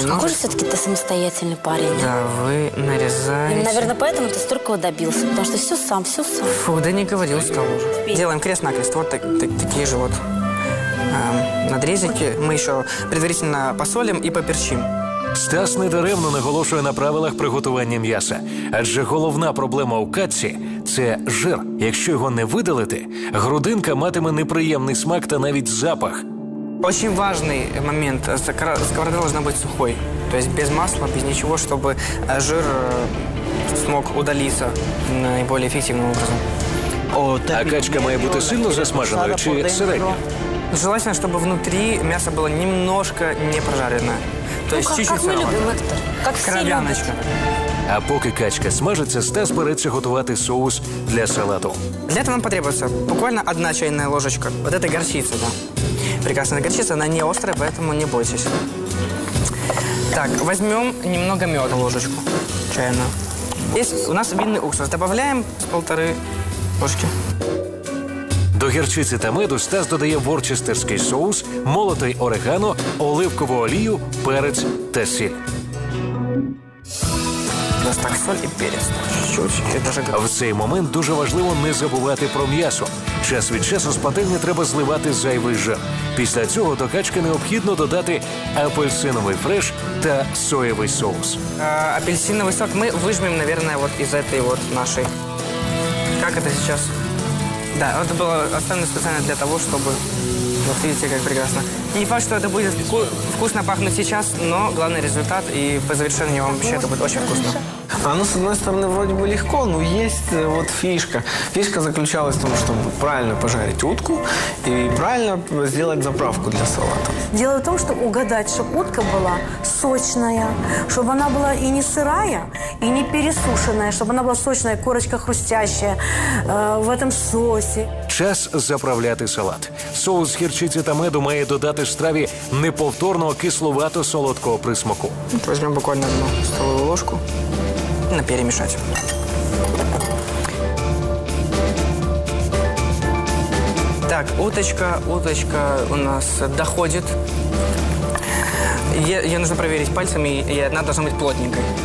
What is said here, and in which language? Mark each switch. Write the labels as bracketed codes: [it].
[ru] Какой же все-таки ты самостоятельный парень. Да, вы нарезаете. И, наверное, поэтому ты столько добился, потому что все сам, все сам. Фу, да не говорил, стал уже. Делаем крест-накрест. Вот такие же вот надрезики. Мы еще предварительно посолим и поперчим. [uk] Стас недаремно наголошує на правилах приготування м'яса. Адже головна проблема у каці – це жир. Якщо його не видалити, грудинка матиме неприємний смак та навіть запах. Дуже важливий момент. Сковорода має бути сухою. Тобто без масла, без нічого, щоб жир змог удалитися найбільш ефективним образом. А качка має бути сильно засмаженою чи середньою? Желательно, щоб внутрі м'ясо було немножко не прожарене. [ru] То ну, как мы любим, Виктор. Как кровяночка. Все любят. А поки качка смажется, Стас берется готовить соус для салата. Для этого нам потребуется буквально одна чайная ложечка. Вот этой горчицы, да. Прекрасная горчица, она не острая, поэтому не бойтесь. Так, возьмем немного меда ложечку чайную. Здесь у нас винный уксус. Добавляем с полторы ложки. [uk] До гірчиці та меду Стас додає ворчестерський соус, молотий орегано, оливкову олію, перець та сіль. Нас так соль і перець. В цей момент дуже важливо не забувати про м'ясо. Час від часу з пательні треба зливати зайвий жир. Після цього до качки необхідно додати апельсиновий фреш та соєвий соус. [ru] Апельсиновий сок ми вижмемо, наверное, вот из этой вот нашей. Как это сейчас? Да, это было основано специально для того, чтобы... Вот видите, как прекрасно. Не факт, что это будет вкусно пахнуть сейчас, но главный результат, и по завершению вам вообще это будет очень вкусно. Оно, с одной стороны, вроде бы легко, но есть вот фишка. Фишка заключалась в том, чтобы правильно пожарить утку и правильно сделать заправку для салата. Дело в том, что угадать, чтобы утка была сочная, чтобы она была и не сырая, и не пересушенная, чтобы она была сочная, корочка хрустящая в этом соусе. [uk] Час заправляти салат. Соус гірчиці та меду має додати страві неповторного кисловато-солодкого присмаку. [ru] Возьмем буквально одну столову ложку. На перемешать. Так, уточка у нас доходит. Ее нужно проверить пальцами, и она должна быть плотненькой.